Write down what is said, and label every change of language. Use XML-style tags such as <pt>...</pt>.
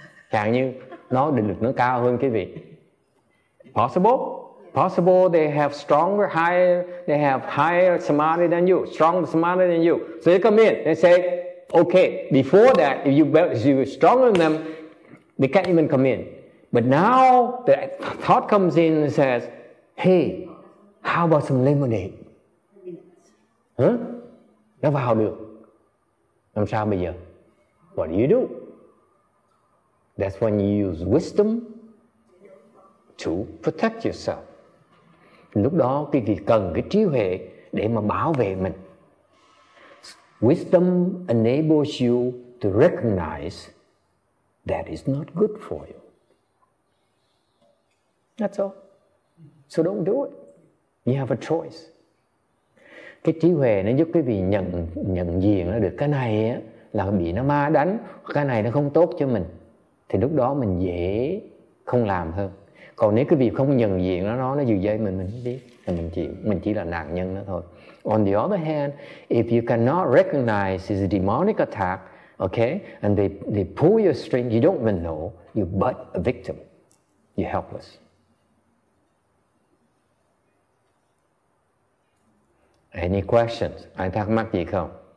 <vi>Chẳng như nó định lực nó cao hơn cái vị.</vi> <en>Possible? Possible they have stronger, higher samadhi than you, stronger samadhi than you. So they come in, they say, okay, before that, if you were stronger than them, they can't even come in. But now the thought comes in and says, hey, how about some lemonade?</en> <vi>Huh? Nó vào được. Làm sao bây giờ?</vi> <en>What do you do? That's when you use wisdom to protect yourself.</en> <vi>Lúc đó quý vị cần cái trí huệ để mà bảo vệ mình.</vi> <en>Wisdom enables you to recognize that is not good for you. That's all. So don't do it. You have a choice.</en> <vi>cái trí huệ nó giúp quý vị nhận nhận diện nó được cái này á, là bị nó ma đánh, cái này nó không tốt cho mình, thì lúc đó mình dễ không làm hơn. Còn nếu quý vị không nhận diện nó dừ dây mình không biết, thì mình chịu, mình chỉ là nạn nhân nó thôi.</vi> <en>On the other hand, if you cannot recognize this demonic attack, okay, and they pull your string, you don't even know, you're but a victim, you're helpless. Any questions?</en> <vi>Ai thắc mắc gì không?</vi>